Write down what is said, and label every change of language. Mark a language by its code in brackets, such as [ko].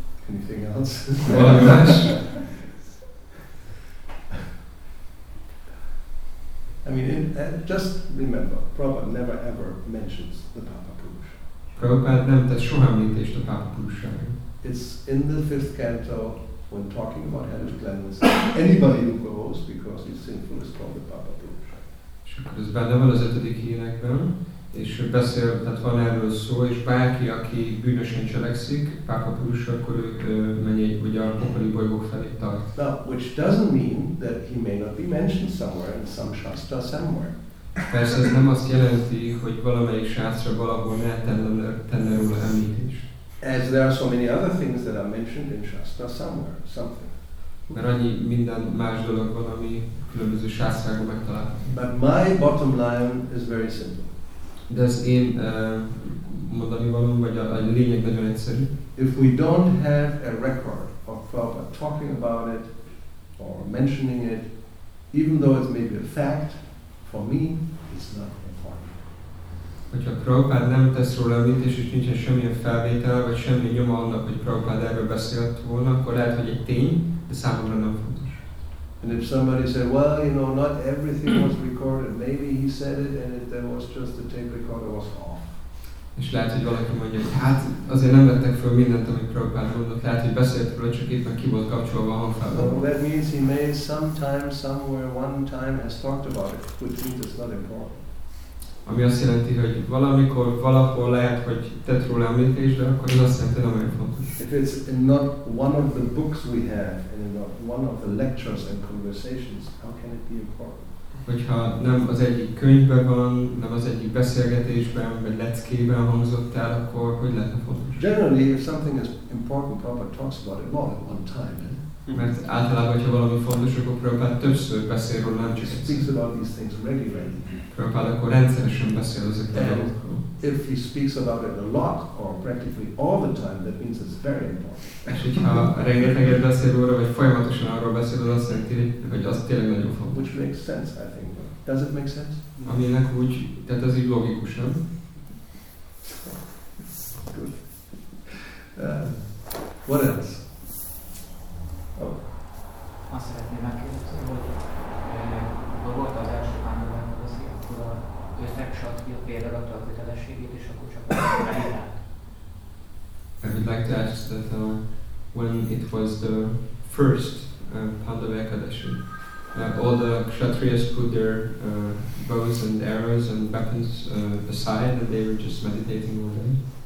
[en] Anything else? [hu] Valami más? [en] I mean, just remember, Prabhupada never ever mentions the Pápa Purusha. [hu] Prabhupada nem tesz soha említést a Pápa Purushára. [en] It's in the fifth canto, when talking about hellish planets, anybody who goes because he's sinful is called the Pápa Purusha. [hu] És akkor ez benne van az ötödik énekben, és beszél, tehát van erről szó, és bárki, aki bűnösen cselekszik, pápa purusa, akkor ő mennyi, ugye a pokoli bolygók felé tart. [en] Now, which doesn't mean that he may not be mentioned somewhere in some shastra somewhere. [hu] Persze ez nem azt jelenti, hogy valamelyik sászra valahol ne tenne róla említést. [en] As there are so many other things that are mentioned in shastra somewhere, something. [hu] Mert annyi minden más dolog van, ami különböző sászrákban megtalálható. [en] But my bottom line is very simple. [hu] De az én mondani valóm, vagy a lényeg nagyon egyszerű. [en] If we don't have a record of Prabhupada talking about it, or mentioning it, even though it may be a fact, for me, it's not important. [hu] Hogyha Prabhupada nem tesz róla említést, és nincsen semmilyen felvétel, vagy semmi nyoma annak, hogy Prabhupada erről beszélt volna, akkor lehet, hogy egy tény, de számomra nem fontos. [en] And if somebody said, well, you know, not everything was recorded, maybe he said it, and if there was just the tape recorder, was off. [hu] És lehet, hogy valaki mondja, hogy hát azért nem vettek föl mindent, amit Prabhupada mondott, lehet, hogy beszélt róla, csak éppen ki volt kapcsolva a hangfelvétel. [en] So that means he may sometime, somewhere, one time has talked about it, which means it's not important. [hu] Ami azt jelenti, hogy valamikor, valahol lehet, hogy tett róla említést, de akkor ez azt jelenti, hogy nem olyan fontos. [en] If it's not one of the books we have, and not one of the lectures and conversations, how can it be important? [hu] Hogyha nem az egyik könyvben van, nem az egyik beszélgetésben, vagy leckében hangzott el, akkor hogy lehetne fontos? [en] Generally, if something is important, Prabhupada talks about it more than one time. [hu] Mert általában, hogyha valami fontos, akkor Prabhupada többször beszél róla, nem csak egyszer. [en] Speaks about these things regularly. [hu] Prabhupada akkor rendszeresen beszél ezekről. [en] If he speaks about it a lot or practically all the time, that means it's very important. [hu] És hogyha rengeteget beszél róla, vagy folyamatosan arról beszél, az azt jelenti, hogy az tényleg nagyon fontos. [en] Which makes sense, I think. Does it make sense? [hu] Aminek úgy, tehát ez így logikus, nem? [en] Good. What else? [hu] Azt szeretném megkérdezni, hogy amikor volt az első pándorának az ilyen, akkor őt megsatja például attól a kötelességét, és akkor csak [en] a I would like to ask that when it was the first Pandava Ekadashi, all the Kshatriyas put their bows and arrows and weapons aside, and they were just meditating all day.